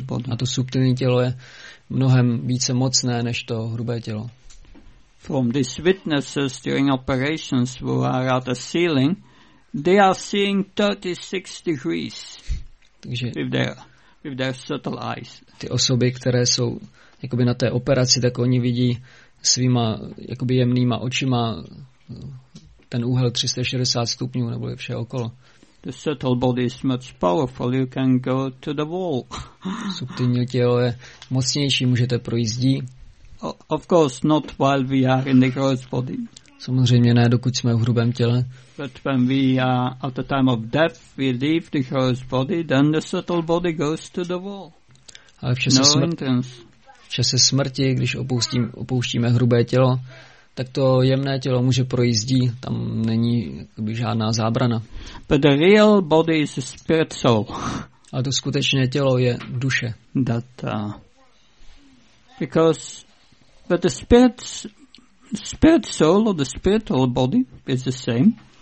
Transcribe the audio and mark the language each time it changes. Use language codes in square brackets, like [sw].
[cs] A to subtilní tělo je mnohem více mocné než to hrubé tělo. [en] From these witnesses during operations who are at the ceiling, they are seeing 36 degrees. [cs] Takže [en] with their subtle eyes. [cs] Ty osoby, které jsou jakoby na té operaci, tak oni vidí svýma jakoby jemnýma očima ten úhel 360 stupňů nebo vše okolo. [en] The subtle body is much powerful. You can go to the wall. [cs] Subtilní tělo je mocnější, můžete projít zdí. [en] Of course not while we are in the gross body. [cs] Samozřejmě ne, dokud jsme v hrubém těle. [en] But when we are at the time of death, we leave the gross body, then the subtle body goes to the wall. [cs] Ale v čase, v čase smrti, když opouštíme hrubé tělo, tak to jemné tělo může projít zdí, tam není jakoby žádná zábrana. [en] But the real body is a spirit soul. [cs] Ale to skutečné tělo je duše. [en] But the spirit soul or the spiritual body is the same.